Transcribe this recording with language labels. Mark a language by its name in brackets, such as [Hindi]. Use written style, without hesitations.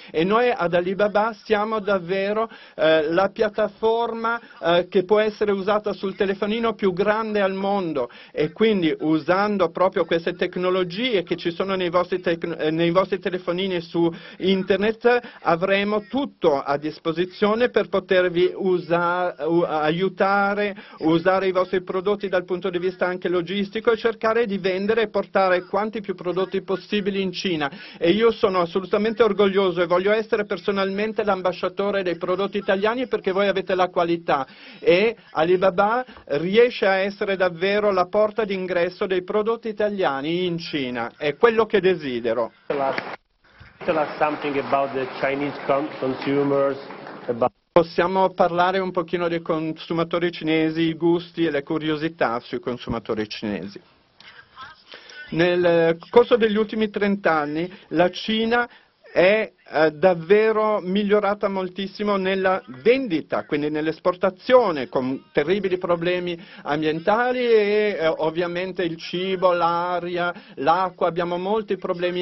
[Italian] E noi ad Alibaba siamo davvero la piattaforma che può essere usata sul telefonino più grande al mondo, e quindi usando proprio queste tecnologie che ci sono nei vostri telefonini su internet, avremo tutto a disposizione per potervi aiutare usare i vostri prodotti dal punto di vista anche logistico, e cercare di vendere e portare quanti più prodotti possibili in Cina. E io sono assolutamente orgoglioso e voglio essere personalmente l'ambasciatore dei prodotti italiani, perché voi avete la qualità, e Alibaba riesce a essere davvero la porta d'ingresso dei prodotti italiani in Cina. È quello che desidero. [English] Tell us something about the Chinese consumers [Italian] Possiamo parlare un pochino dei consumatori cinesi, i gusti e le curiosità sui consumatori cinesi. Nel corso degli ultimi 30 anni la Cina è davvero migliorata moltissimo nella vendita, quindi nell'esportazione, con terribili problemi ambientali e ovviamente il cibo, l'aria, l'acqua, abbiamo molti problemi.